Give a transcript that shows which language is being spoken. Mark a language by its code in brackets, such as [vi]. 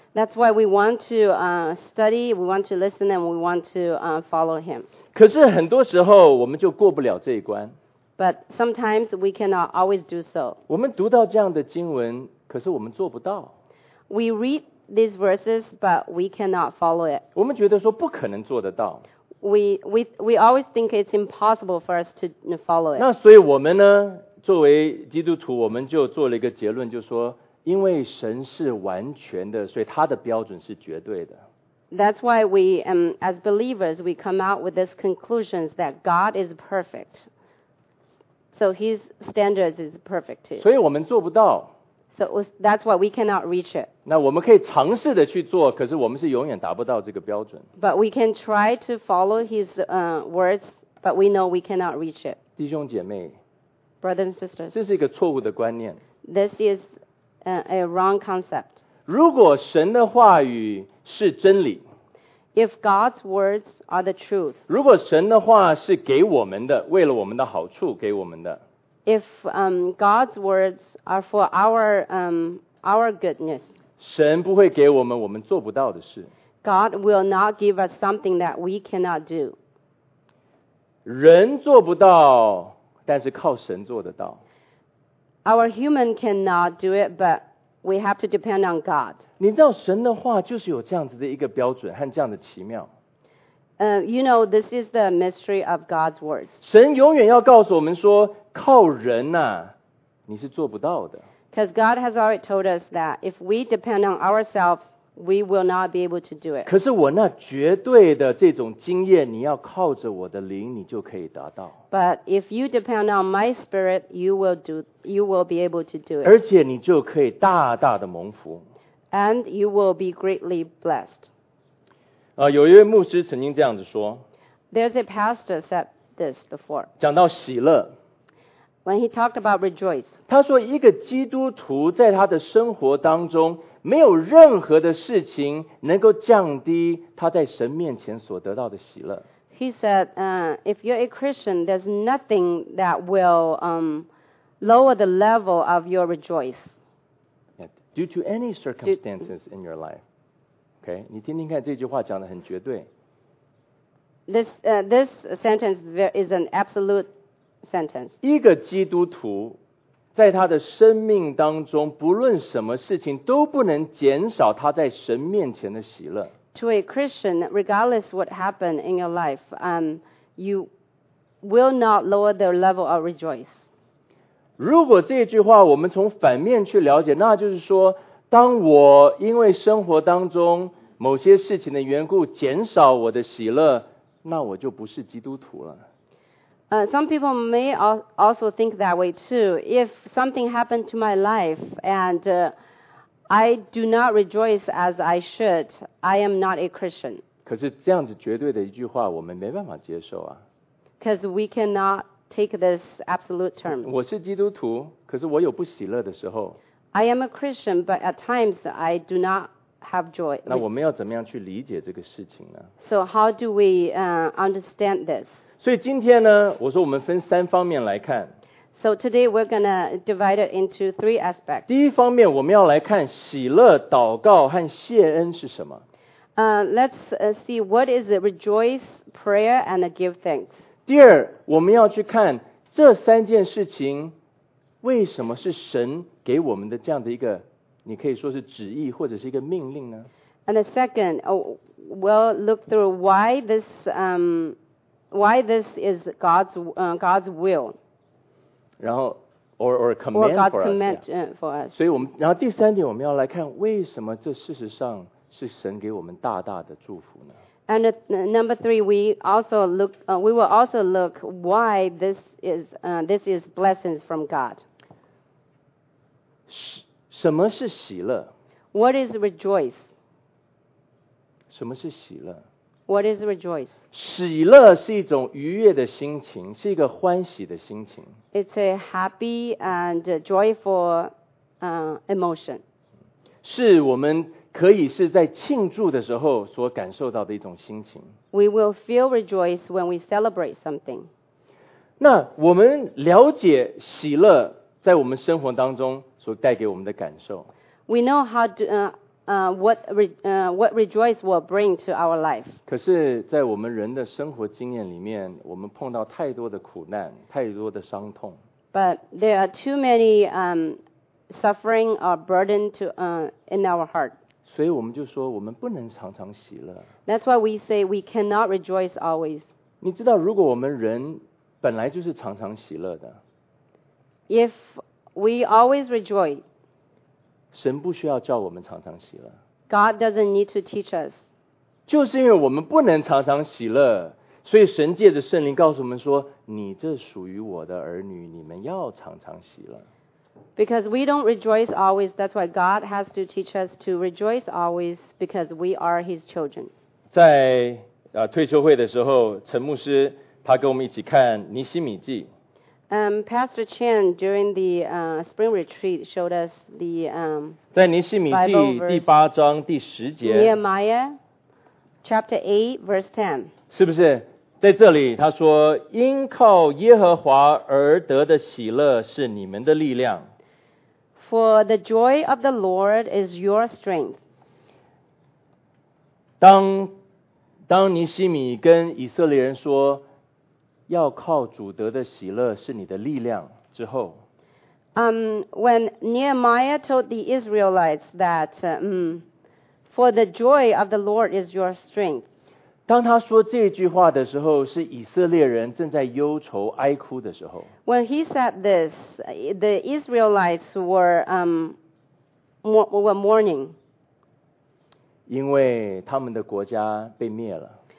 [en] That's why we want to study, we want to listen, and we want to follow Him. [zh] 可是很多时候我们就过不了这一关。 [en] But sometimes we cannot always do so. [zh] 我们读到这样的经文，可是我们做不到。 [en] We read these verses, but we cannot follow it. [zh] 我们觉得说不可能做得到。 [en] We always think it's impossible for us to follow it. [zh] 那所以我们呢，作为基督徒，我们就做了一个结论，就说因为神是完全的，所以他的标准是绝对的。 [en] That's why we, as believers, we come out with this conclusion that God is perfect. So his standards is perfect too. [zh] 所以我们做不到。 [en] So that's why we cannot reach it. [zh] 那我们可以尝试的去做，可是我们是永远达不到这个标准。 [en] But we can try to follow his words, but we know we cannot reach it. [zh] 弟兄姐妹 [en] ，brothers and sisters， [zh] 这是一个错误的观念。 [en] This is a wrong concept. [zh] 如果神的话语是真理。 [en] If God's words are the truth, [zh] 如果神的话是给我们的，为了我们的好处给我们的。 [en] If God's words are for our goodness, [zh] 神不会给我们我们做不到的事。 [en] God will not give us something that we cannot do. [zh] 人做不到，但是靠神做得到。 [en] Our human cannot do it, but We have to depend on God. [zh] 你知道神的话就是有这样子的一个标准和这样的奇妙。 [en] You know, this is the mystery of God's words. [zh] 神永远要告诉我们说，靠人啊，你是做不到的。 [en] Because God has already told us that if we depend on ourselves, we will not be able to do it. [zh] 可是我那绝对的这种经验，你要靠着我的灵，你就可以达到。 [en] But if you depend on my spirit, you will be able to do it. [zh] 而且你就可以大大的蒙福。 [en] And you will be greatly blessed. [zh] 有一位牧师曾经这样子说。 [en] There's a pastor said this before. [zh] 讲到喜乐。 [en] When he talked about rejoice. [zh] 他说一个基督徒在他的生活当中，没有任何的事情能够降低他在神面前所得到的喜乐。 [en] He said, if you're a Christian, there's nothing that will lower the level of your rejoice. Due to any circumstances in your life. Okay? [zh] 你听听看这句话讲得很绝对。 [en] This sentence is an absolute sentence. [zh] 一个基督徒在他的生命当中，不论什么事情都不能减少他在神面前的喜乐。 [en] To a Christian, regardless what happened in your life, you will not lower the level of rejoice. [zh] 如果这句话我们从反面去了解，那就是说，当我因为生活当中某些事情的缘故减少我的喜乐，那我就不是基督徒了。 [en] Some people may also think that way too. If something happened to my life and I do not rejoice as I should, I am not a Christian. [zh] 可是这样子绝对的一句话，我们没办法接受啊。 [en] Because we cannot take this absolute term. [zh] 我是基督徒，可是我有不喜乐的时候。 [en] I am a Christian, but at times I do not have joy. [zh] 那我们要怎么样去理解这个事情呢？ [en] So how do we understand this? [zh] 所以今天呢，我说我们分三方面来看。 [en] So today we're gonna divide it into three aspects. [zh] 第一方面，我们要来看喜乐、祷告和谢恩是什么。 [en] Let's see what is it, rejoice, prayer, and give thanks. [zh] 第二，我们要去看这三件事情为什么是神给我们的这样的一个，你可以说是旨意或者是一个命令呢？ [en] And the second, we'll look through why this is God's will. [zh] 然后 [en] or command or God's for us. For us. [zh] 所以我们，然后第三点我们要来看为什么这事实上是神给我们大大的祝福呢？ [en] And number three, we will also look why this is blessings from God. [zh] 什么是喜乐？ [en] What is rejoice? [zh] 什么是喜乐？ [en] What is rejoice? [zh] 喜乐是一种愉悦的心情，是一个欢喜的心情。 [en] It's a happy and joyful emotion. [zh] 是我们可以是在庆祝的时候所感受到的一种心情。 [en] We will feel rejoice when we celebrate something. [zh] 那我们了解喜乐在我们生活当中所带给我们的感受。 [en] We know what rejoice will bring to our life. [zh] 可是在我们人的生活经验里面，我们碰到太多的苦难，太多的伤痛。 [en] But there are too many suffering or burden to in our heart. [zh] 所以我们就说我们不能常常喜乐。 [en] That's why we say we cannot rejoice always. [zh] 你知道如果我们人本来就是常常喜乐的。 [en] If we always rejoice. [zh] 神不需要叫我们常常喜乐。 [en] God doesn't need to teach us. [zh] 就是因为我们不能常常喜乐，所以神借着圣灵告诉我们说，你这属于我的儿女，你们要常常喜乐。 [en] Because we don't rejoice always, that's why God has to teach us to rejoice always because we are His children. [zh] 在退休会的时候，陈牧师他跟我们一起看尼希米记。 [en] Pastor Chen during the spring retreat showed us the [zh] 在尼希米记第八章第十节。 [en] Nehemiah chapter 8 verse 10。 [zh] 是不是？在这里他说因靠耶和华而得的喜乐是你们的力量。 [en] For the joy of the Lord is your strength. [zh] 当尼希米跟以色列人说要靠主得的喜乐是你的力量之后。 [en] When Nehemiah told the Israelites that, for the joy of the Lord is your strength. [zh] 当他说这句话的时候，是以色列人正在忧愁哀哭的时候。 [en] When he said this, the Israelites were mourning. [zh] 因为他们的国家被灭了。